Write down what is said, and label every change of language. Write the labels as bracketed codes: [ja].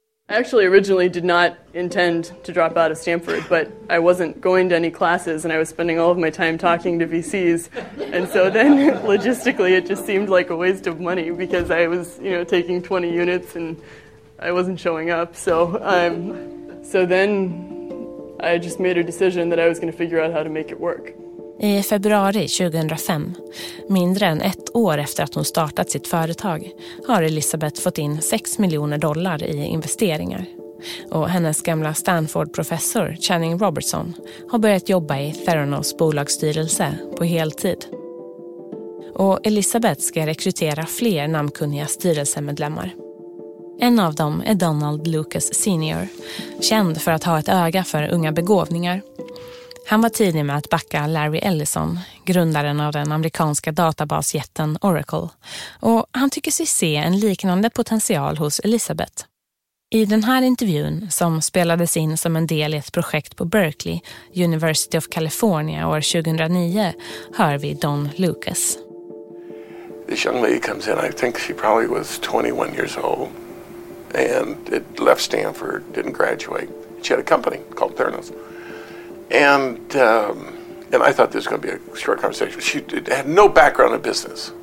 [en] I actually originally did not intend to drop out of Stanford, but I wasn't going to any classes and I was spending all of my time talking to VCs. And so then logistically it just seemed like a waste of money because I was, you know, taking 20 units and I wasn't showing up. So then I just made a decision that I was going to figure out how to make it work. [sv] I februari 2005, mindre än ett år efter att hon startat sitt företag, har Elisabeth fått in 6 miljoner dollar i investeringar. Och hennes gamla Stanford-professor Channing Robertson har börjat jobba i Theranos bolagsstyrelse på heltid. Och Elisabeth ska rekrytera fler namnkunniga styrelsemedlemmar. En av dem är Donald Lucas Senior, känd för att ha ett öga för unga begåvningar. Han var tidig med att backa Larry Ellison, grundaren av den amerikanska databasjätten Oracle. Och han tycker sig se en liknande potential hos Elisabeth. I den här intervjun, som spelades in som en del i ett projekt på Berkeley, University of California, år 2009, hör vi Don Lucas. [en] This young lady comes in, I think she probably was 21 years old, and it left Stanford, didn't graduate. She had a company called Theranos. And I thought this was going to be a short conversation. She had no background in business.